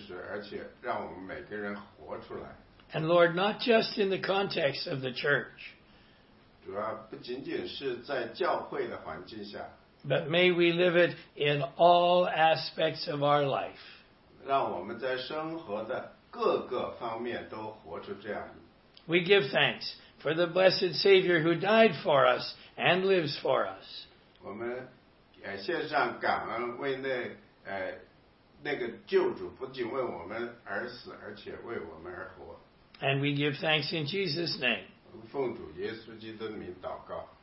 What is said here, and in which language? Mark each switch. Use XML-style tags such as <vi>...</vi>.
<zh>主啊，请帮助我们不仅仅是知道这样一个事实，而且让我们每个人活出来。</zh> <en>And Lord, not just in the context of the church.</en> <zh>主要不仅仅是在教会的环境下,</zh> <en>but may we live it in all aspects of our life.</en> <zh>让我们在生活的各个方面都活出这样的。</zh> <en>We give thanks for the blessed Savior who died for us and lives for us.</en> <zh>我们献上感恩为那个救主不仅为我们而死，而且为我们而活。</zh> <en>And we give thanks in Jesus' name.</en> <zh>奉主耶稣基督的名祷告。</zh>